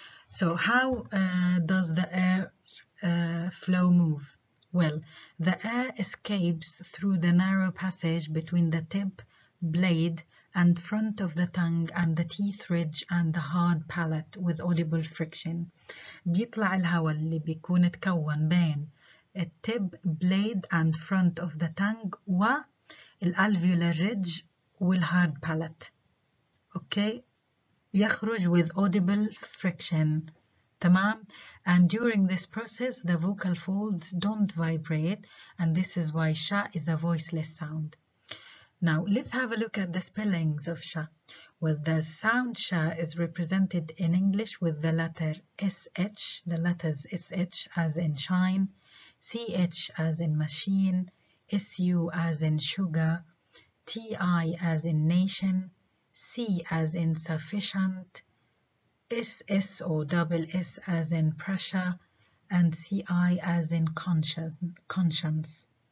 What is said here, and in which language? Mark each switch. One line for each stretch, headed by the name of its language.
English: So, how does the air flow move? Well, the air escapes through the narrow passage between the tip, blade, and front of the tongue and the teeth ridge and the hard palate with audible friction.
Arabic: بيطلع الهواء اللي بيكون تكون بين التب, blade, and front of the tongue والالفيولار ridge والهارد palate.
English: Okay? يخرج with audible friction. تمام؟ And during this process, the vocal folds don't vibrate, and this is why sha is a voiceless sound. Now, let's have a look at the spellings of sha. Well, the sound sha is represented in English with the letter sh, the letters sh as in shine, ch as in machine, su as in sugar, ti as in nation, c as in sufficient, SS or double S as in pressure, and CI as in conscience.